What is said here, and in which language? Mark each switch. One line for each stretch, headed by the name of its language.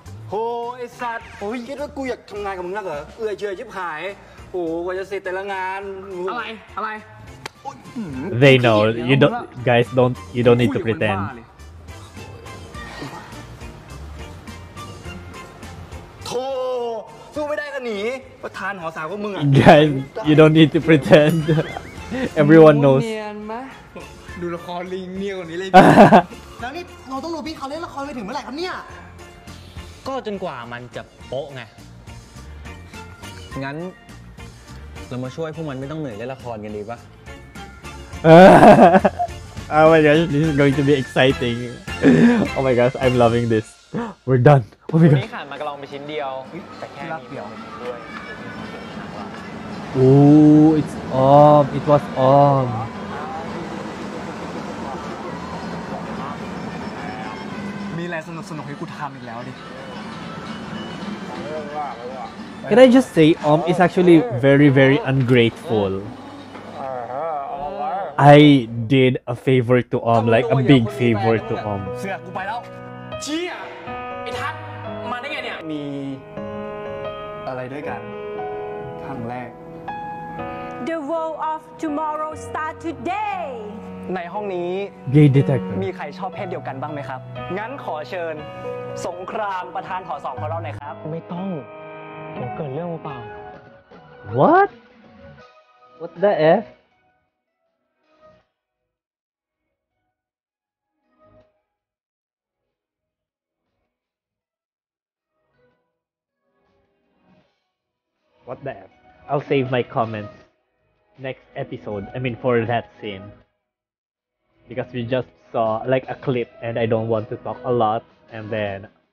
Thai: โอ้ไอ้สัตว์โอ้ยคิดว่ากูอยากทำงานกับมึงนักเหรอเอื้อเชื่อชิบหายโอ้กว่าจะเสร็จแต่ละงาน อะไร
English: They know you don't guys don't you don't need to pretend
Thai: โธ่สู้ไม่ได้ก็หนีประธานหอสาวก็มึงอ่ะ
English: guys you don't need to pretend everyone knows
Thai: ดูละครลิงเนี่ยกว่านี้เลย แล้วนี่เราต้องรู้พี่เขาเล่นละครไปถึงเมื่อไหร่ครับเนี่ย ก็จนกว่ามันจะโป๊ะไง งั้นเรามาช่วยพวกมันไม่ต้องเหนื่อยเล่นละครกันดีป่ะ
English: โอ้ my god this is going to be exciting oh my god I'm loving this we're done oh my god
Thai: นี่ขาดมากลองไปชิ้นเดียวแต่แค่นี้เดียว
English: โอ้ it's off it was offCan I just say, Om is actually very, very ungrateful. I did a favor to Om, like a big favor to Om. Yeah, I'm going to go. Yeah, I'm going to go.
Thai: ครั้งแรก
English: The world of tomorrow start today
Thai: ในห้องนี้
English: Gay Detector
Thai: มีใครชอบเพศเดียวกันบ้างไหมครับงั้นขอเชิญสงครามประธานถอสองของเราหน่อยครับ ไม่ต้องผมเกิดเรื่องเปล่า
English: What What the f What the f I'll save my comments next episode I mean for that scene because we just saw like a clip and I don't want to talk a lot and then